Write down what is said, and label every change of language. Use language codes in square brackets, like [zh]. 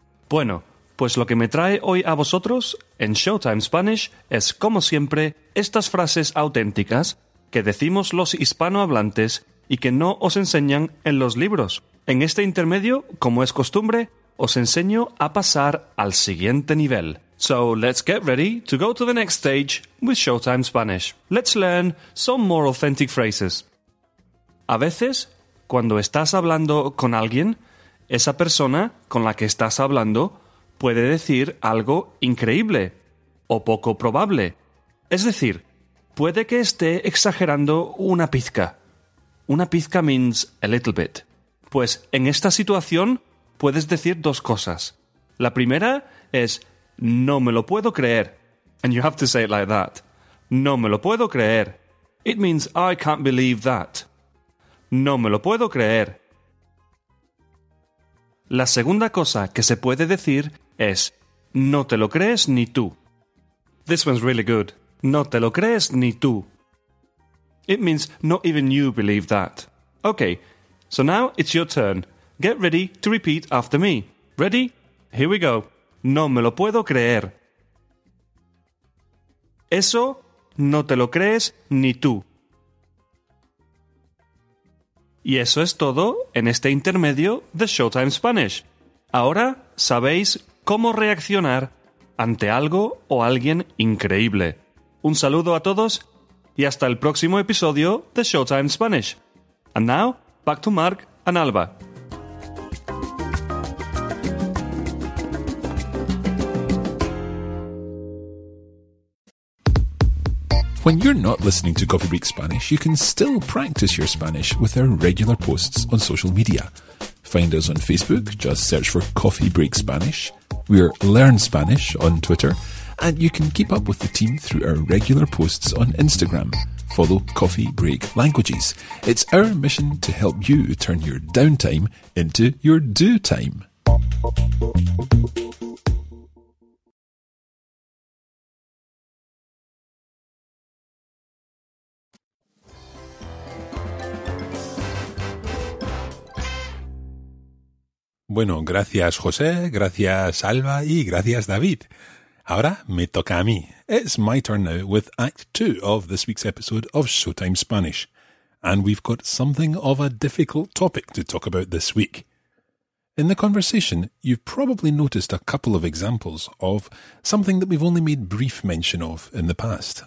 [es] Bueno, pues lo que me trae hoy a vosotros en Showtime Spanish es, como siempre, estas frases auténticas que decimos los hispanohablantes y que no os enseñan en los libros. En este intermedio, como es costumbre, os enseño a pasar al siguiente nivel. [en] So let's get ready to go to the next stage with Showtime Spanish. Let's learn some more authentic phrases. [es] A veces, cuando estás hablando con alguien, esa persona con la que estás hablando puede decir algo increíble o poco probable. Es decir, puede que esté exagerando una pizca. Una pizca [en] means a little bit. [es] Pues en esta situación puedes decir dos cosas. La primera es, no me lo puedo creer. [en] And you have to say it like that. [es] No me lo puedo creer. [en] It means I can't believe that. [es] No me lo puedo creer. La segunda cosa que se puede decir es, no te lo crees ni tú. [en] This one's really good. [es] No te lo crees ni tú. [en] It means not even you believe that. Okay, so now it's your turn. Get ready to repeat after me. Ready? Here we go. [es] No me lo puedo creer. Eso no te lo crees ni tú. Y eso es todo en este intermedio de Showtime Spanish. Ahora sabéis cómo reaccionar ante algo o alguien increíble. Un saludo a todos y hasta el próximo episodio de Showtime Spanish. [en] And now, back to Mark and Alba. When you're not listening to Coffee Break Spanish, you can still practice your Spanish with our regular posts on social media. Find us on Facebook, just search for Coffee Break Spanish. We're Learn Spanish on Twitter. And you can keep up with the team through our regular posts on Instagram. Follow Coffee Break Languages. It's our mission to help you turn your downtime into your do time. [es] Bueno, gracias José, gracias Alba y gracias David. Ahora me toca a mí. [en] It's my turn now with Act 2 of this week's episode of Showtime Spanish. And we've got something of a difficult topic to talk about this week. In the conversation, you've probably noticed a couple of examples of something that we've only made brief mention of in the past.